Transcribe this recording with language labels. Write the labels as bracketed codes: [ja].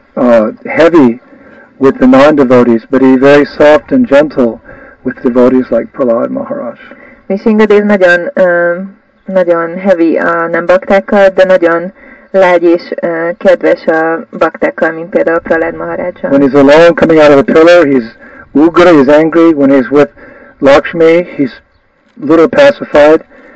[en] heavy with the non-devotees, but he's very soft and gentle with devotees like Prahlad Maharaj. [hu] Visingadev nagyon nagyon heavy a nem baktákkal, de nagyon lágy és kedves a baktákkal, mint például Prahlad Maharaj. [en] When he's alone coming out of a pillar, he's ugra, he's angry. When he's with Lakshmi, he's a little pacified.